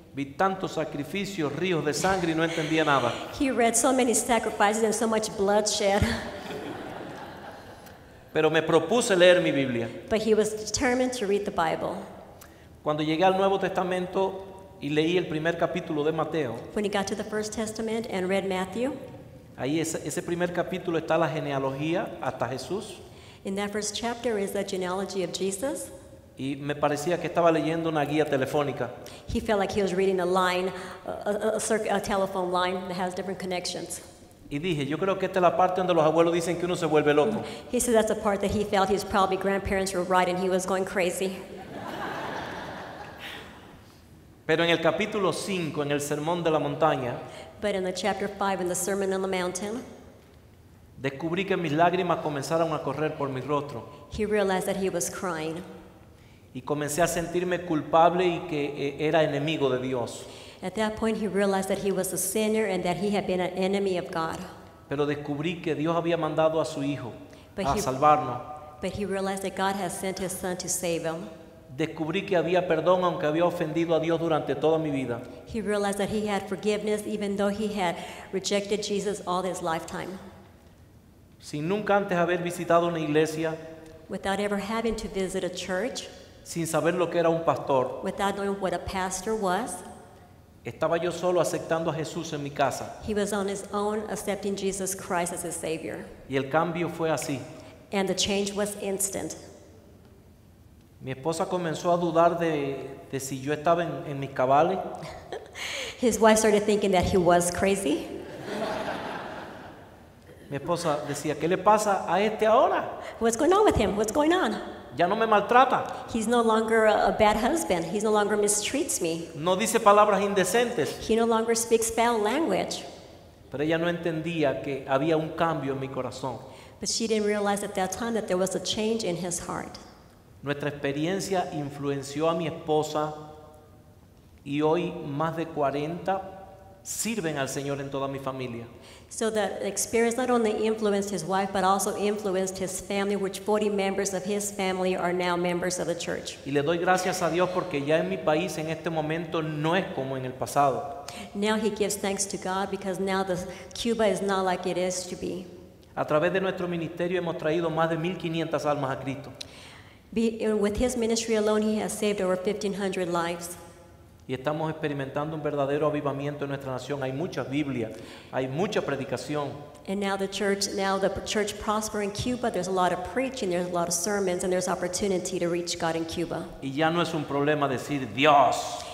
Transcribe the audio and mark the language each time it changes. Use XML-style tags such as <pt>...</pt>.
<es>Vi tantos sacrificios, ríos de sangre y no entendía nada.</es> <en>He read so many sacrifices and so much bloodshed.</en> <es>Pero me propuse leer mi Biblia.</es> <en>But he was determined to read the Bible.</en> <es>Cuando llegué al Nuevo Testamento y leí el primer capítulo de Mateo,</es> <en>when he got to the First Testament and read Matthew,</en> <es>ahí ese primer capítulo está la genealogía hasta Jesús.</es> <en>In that first chapter is the genealogy of Jesus.</en> <es>Y me parecía que estaba leyendo una guía telefónica.</es> <en>He felt like he was reading a line, a telephone line that has different connections.</en> <es>Y dije, yo creo que esta es la parte donde los abuelos dicen que uno se vuelve loco.</es> <en>He said that's the part that he felt his probably grandparents were right and he was going crazy.</en> <es>Pero en el capítulo 5, en el Sermón de la Montaña,</es> <en>but in the chapter 5, in the Sermon on the Mountain,</en> <es>descubrí que mis lágrimas comenzaron a correr por mi rostro.</es> <en>He realized that he was crying.</en> <es>Y comencé a sentirme culpable y que era enemigo de Dios.</es> <en>At that point he realized that he was a sinner and that he had been an enemy of God.</en> <es>Pero descubrí que Dios había mandado a su hijo a salvarnos.</es> <en>But he realized that God has sent his son to save him.</en> <es>Descubrí que había perdón aunque había ofendido a Dios durante toda mi vida.</es> <en>He realized that he had forgiveness even though he had rejected Jesus all his lifetime.</en> <es>Sin nunca antes haber visitado una iglesia,</es> <en>without ever having to visit a church,</en> <es>sin saber lo que era un pastor,</es> <en>without knowing what a pastor was,</en> <es>estaba yo solo aceptando a Jesús en mi casa.</es> <en>He was on his own accepting Jesus Christ as his Savior.</en> <es>Y el cambio fue así.</es> <en>And the change was instant.</en> <es>Mi esposa comenzó a dudar de si yo estaba en mis cabales.</es> <en>His wife started thinking that he was crazy.</en> <es>Mi esposa decía, ¿qué le pasa a este ahora?</es> <en>What's going on with him? What's going on?</en> <es>Ya no me maltrata.</es> <en>He's no longer a bad husband. He no longer mistreats me.</en> <es>No dice palabras indecentes.</es> <en>He no longer speaks foul language.</en> <es>Pero ella no entendía que había un cambio en mi corazón.</es> <en>But she didn't realize at that time that there was a change in his heart.</en> <es>Nuestra experiencia influenció a mi esposa y hoy más de 40 sirven al Señor en toda mi familia.</es> <en>So that experience not only influenced his wife but also influenced his family, which 40 members of his family are now members of the church.</en> <es>Y le doy gracias a Dios porque ya en mi país en este momento no es como en el pasado.</es> <en>Now he gives thanks to God because now the Cuba is not like it is to be.</en> <es>A través de nuestro ministerio hemos traído más de 1,500 almas a Cristo.</es> <en>With his ministry alone, he has saved over 1,500 lives.</en> <es>Y estamos experimentando un verdadero avivamiento en nuestra nación. Hay mucha Biblia, hay mucha predicación.</es> <en>And now the church prosper in Cuba. There's a lot of preaching, there's a lot of sermons, and there's opportunity to reach God in Cuba.</en> <es>Y ya no es un problema decir Dios.</es>